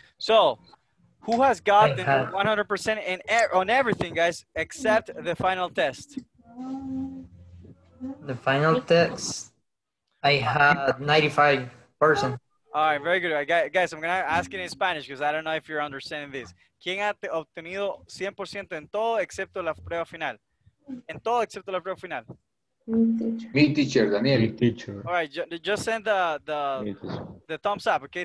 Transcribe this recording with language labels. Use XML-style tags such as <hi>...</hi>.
<en>So, who has gotten 100% on everything, guys, except the final test? The final test, I had 95%. All right, very good. Guys, I'm going to ask it in Spanish because I don't know if you're understanding this.</en> <es>¿Quién ha obtenido 100% en todo excepto la prueba final? En todo excepto la prueba final.</es> <en>Me teacher, Daniel. Teacher. All right, just send the thumbs up, okay?</en>